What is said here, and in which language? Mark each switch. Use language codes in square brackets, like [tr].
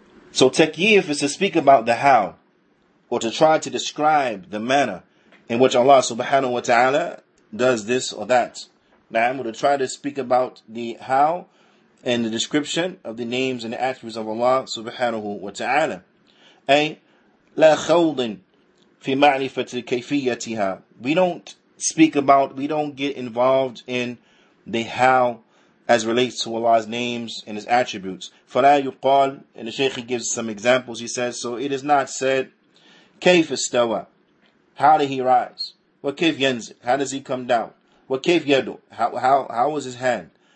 [en] So takyif is to speak about the how, or to try to describe the manner in which Allah subhanahu wa ta'ala does this or that. Now, I'm going to try to speak about the how and the description of the names and the attributes of Allah subhanahu wa ta'ala. [ar] أي لا خوض في معرفة كيفيتها. [en] We don't speak about, we don't get involved in the how as relates to Allah's names and His attributes. [ar] فلا يقال, [en] and the Shaykh gives some examples, he says, so it is not said, [ar] كيف استوى, [en] how did he rise? [ar] وكيف ينزل, [en] how does he come down? [ar] وَكَيْفْ يَدُ, [en] how was his hand?